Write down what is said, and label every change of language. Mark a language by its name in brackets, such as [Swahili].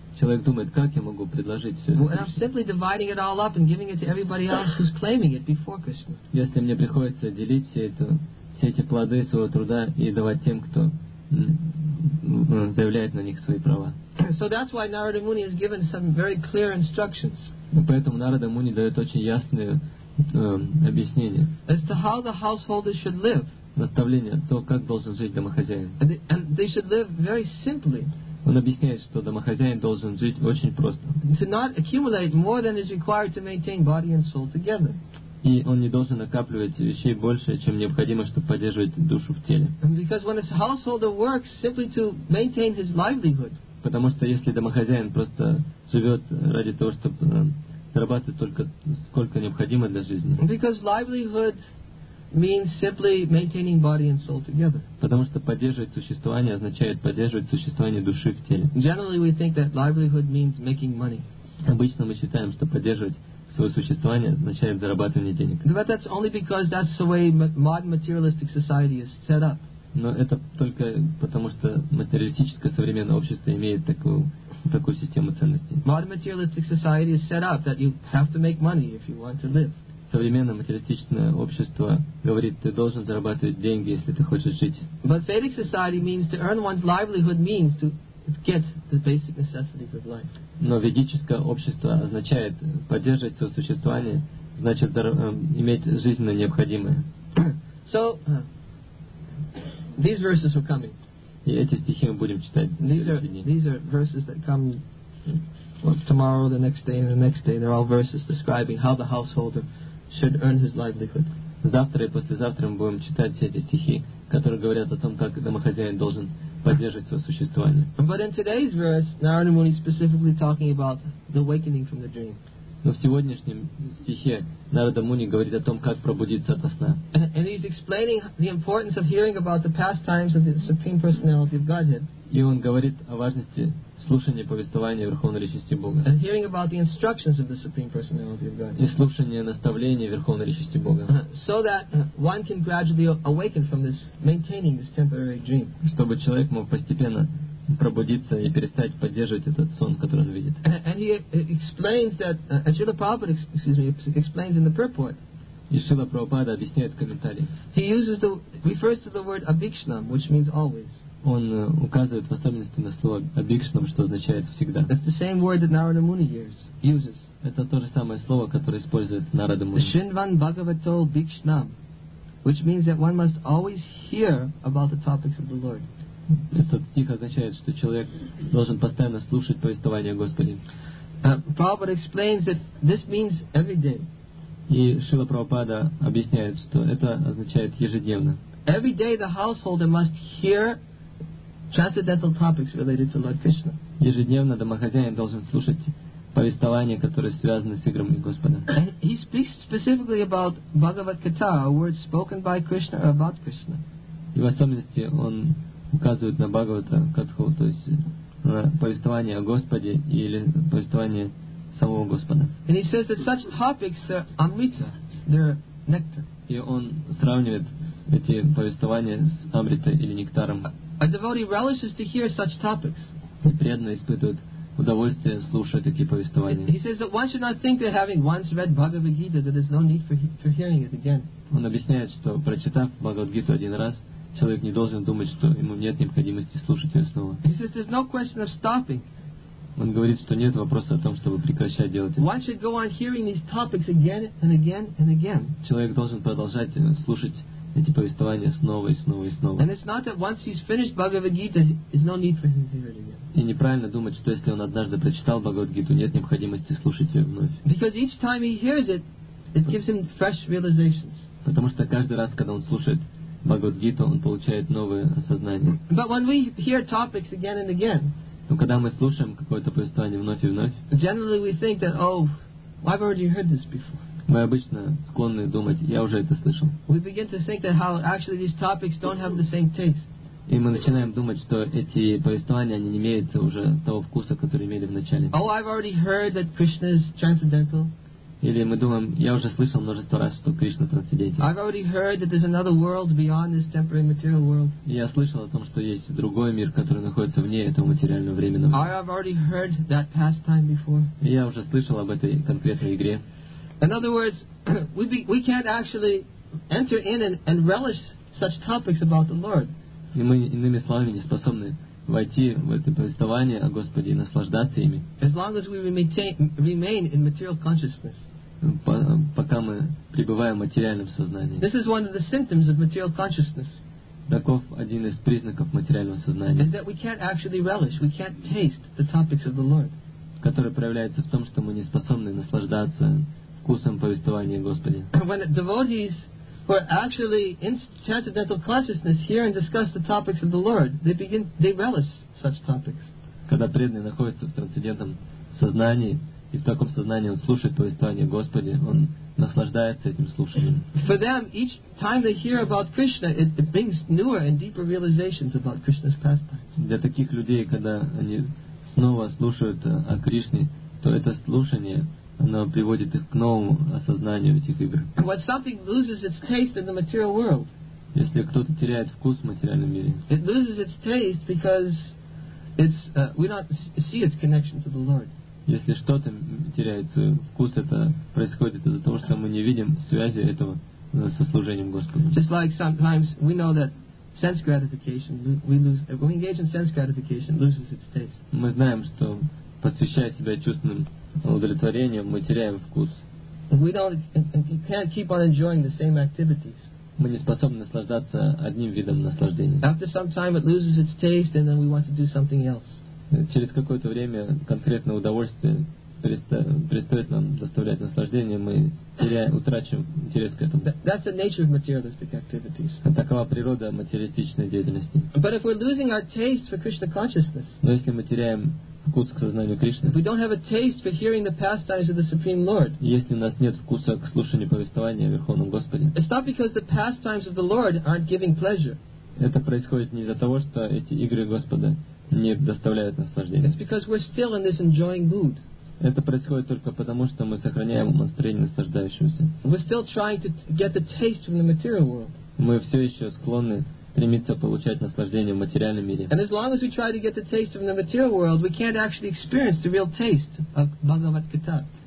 [Russian] Человек думает, как я могу предложить все это? [English] Well, I'm simply dividing it all up and giving it to everybody else who's claiming it before Krishna. [Russian] Если мне приходится делить все эти плоды своего труда и давать тем, кто заявляет на них свои права. [English] So that's why Narada Muni has given some very clear instructions. [Russian] Поэтому Нарада Муни дает очень ясные объяснения. [English] As to how the householder should live. [Russian] Наставление, то, как должен жить домохозяин. [English] And they should live very simply. [Russian] Он объясняет, что домохозяин должен жить очень просто. [English] To not accumulate more than is required to maintain body and soul together. [Russian] И он не должен накапливать вещей больше, чем необходимо, чтобы поддерживать душу в теле. [English] And because when a householder works simply to maintain his livelihood. [Russian] Потому что если домохозяин просто живет ради того, чтобы зарабатывать только сколько необходимо для жизни. [English] Because livelihood means simply maintaining body and soul together. [Russian] Потому что поддерживать существование означает поддерживать существование души в теле. [English] Generally we think that livelihood means making money. [Russian] Обычно мы считаем, что поддерживать свое существование означает зарабатывание денег. [English] But that's only because that's the way modern materialistic society is set up. [Russian] Но это только потому, что материалистическое современное общество имеет такую систему ценностей. [English] Modern materialistic society is set up that you have to make money if you want to live. [Russian] Современное материалистическое общество говорит, ты должен зарабатывать деньги, если ты хочешь жить. [English] But Vedic society means to earn one's livelihood means to get the basic necessities of life. [Russian] Но ведическое общество означает поддерживать свое существование, значит иметь жизненно необходимое. [English] So these verses are coming. [Russian] И эти стихи мы будем читать. [English] These are verses that come tomorrow, the next day, and the next day. They're all verses describing how the householder should earn his livelihood. [Russian] Завтра и послезавтра мы будем читать все эти стихи, которые говорят о том, как домохозяин должен поддерживать свое существование. [English] But in today's verse, Narada Muni is specifically talking about the awakening from the dream. [Russian] Но в сегодняшнем стихе Нарада Муни говорит о том, как пробудиться ото сна. [English] And he's explaining the importance of hearing about the pastimes of the Supreme Personality of Godhead. [Russian] И он говорит о важности слушание повествования Верховной Личности Бога. [English] And hearing about the instructions of the Supreme Personality of God. [Russian] И слушание наставления Верховной Личности Бога. [English] So that one can gradually awaken from this, maintaining this temporary dream. [Russian] Чтобы человек мог постепенно пробудиться и перестать поддерживать этот сон, который он видит. [English] And he explains that, Srila Prabhupada, explains in the purport. [Russian] И Шрила Прабхупада объясняет в комментарии. [English] He refers to the word abhikshanam, which means always. [Russian] Он указывает в особенности на слово «абикшнам», что означает «всегда». [English] That's the same word that Narada Muni uses. [Russian] Это то же самое слово, которое использует Нарада Муни. [Sanskrit] Шинван Бхагавато Бикшнам, [English] which means that one must always hear about the topics of the Lord. [Russian] Этот стих означает, что человек должен постоянно слушать повествование Господи. [English] Prabhupada explains that this means every day. [Russian] И Шрила Прабхупада объясняет, что это означает ежедневно. [English] Every day the householder must hear transcendental topics related to Lord Krishna. [Russian] Ежедневно домохозяин должен слушать повествования, которые связаны с играми Господа. [English] He speaks specifically about Bhagavad Gita, a word spoken by Krishna or about Krishna. [Russian] И в особенности он указывает на Бхагавата Катху, то есть на повествование о Господе или повествование самого Господа. [English] And he says that such topics are amrita, they're nectar. [Russian] И он сравнивает эти повествования с амритой или нектаром. [English] A devotee relishes to hear such topics. [Russian] Преданный испытывает удовольствие слушать такие повествования. [English] He says that one should not think that having once read Bhagavad Gita that there's no need for hearing it again. [Russian] Он объясняет, что прочитав Бхагавад Гиту один раз, человек не должен думать, что ему нет необходимости слушать ее снова. [English] He says there's no question of stopping. [Russian] Он говорит, что нет вопроса о том, чтобы прекращать делать это. [English] One should go on hearing these topics again and again and again. [Russian] Человек должен продолжать слушать эти повествования снова и снова и снова. [English] And it's not that once he's finished Bhagavad Gita, there's no need for him to hear it again. [Russian] И неправильно думать, что если он однажды прочитал Бхагавад Гиту, нет необходимости слушать ее вновь. [English] Because each time he hears it, it gives him fresh realizations. [Russian] Потому что каждый раз, когда он слушает Бхагавад Гиту, он получает новое осознание. [English] But when we hear topics again and again, [Russian] но когда мы слушаем какое-то повествование вновь и вновь, [English] generally we think that, oh, I've already heard this before. [Russian] Мы обычно склонны думать, я уже это слышал. [English] We begin to think that how actually these topics don't have the same taste. [Russian] И мы начинаем думать, что эти повествования они не имеют уже того вкуса, который имели в начале. [English] Oh, I've already heard that Krishna is transcendental. [Russian] Или мы думаем, я уже слышал множество раз, что Кришна трансцендентен. [English] I've already heard that there's another world beyond this temporary material world. [Russian] Я слышал о том, что есть другой мир, который находится вне этого материального временного. [English] I've already heard that pastime before. [Russian] Я уже слышал об этой конкретной игре. [English] In other words, we can't actually enter in and relish such topics about the Lord. [Russian] И мы иными словами не способны войти в это повествование о Господе и наслаждаться ими. [English] As long as we remain in material consciousness. [Russian] Пока мы пребываем в материальном сознании. [English] This is one of the symptoms of material consciousness. [Russian] Таков один из признаков материального сознания. [English] Is that we can't actually relish, we can't taste the topics of the Lord. [Russian] Который проявляется в том, что мы не способны наслаждаться вкусом повествования Господи. [English] When devotees who are actually in transcendental consciousness hear and discuss the topics of the Lord, they relish such topics. [Russian] Когда преданный находится в трансцендентном сознании и в таком сознании он слушает повествование Господи, он наслаждается этим слушанием. [English] For them, each time they hear about Krishna, it brings newer and deeper realizations about Krishna's pastimes. [Russian] Для таких людей, когда они снова слушают о Кришне, то это слушание оно приводит их к новому осознанию этих игр. [English] When something loses its taste in the material world, [Russian] если кто-то теряет вкус в материальном мире, [English] it loses its taste because it's we don't see its connection to the Lord. [Russian] Если что-то теряет свой вкус, это происходит из-за того, что мы не видим связи этого со служением Господу. [English] Just like sometimes we know that sense gratification, when we engage in sense gratification, loses its taste. [Russian] Мы знаем, что посвящая себя чувственным удовлетворением, мы теряем вкус. [English] We can't keep on enjoying the same activities. [Russian] Мы не способны наслаждаться одним видом наслаждения. [English] After some time it loses its taste and then we want to do something else. [Russian] Через какое-то время конкретное удовольствие перестает нам доставлять наслаждение, мы утрачиваем интерес к этому. [English] That's the nature of materialistic activities. [Russian] Такова природа материалистичной деятельности. [English] But if we're losing our taste for Krishna consciousness, [Russian] но если мы теряем вкус к сознанию Кришны, [English] if we don't have a taste for hearing the pastimes of the Supreme Lord, [Russian] если у нас нет вкуса к слушанию повествования о Верховном Господе, [English] it's not because the pastimes of the Lord aren't giving pleasure. [Russian] Это происходит не из-за того, что эти игры Господа не доставляют наслаждения. [English] It's because we're still in this enjoying mood. [Russian] Это происходит только потому, что мы сохраняем настроение наслаждающегося. [English] We're still trying to get the taste from the material world. [Russian] Мы все еще склонны стремиться получать наслаждение в материальном мире. [English] And as long as we try to get the taste from the material world, we can't actually experience the real taste of Bhagavad Gita.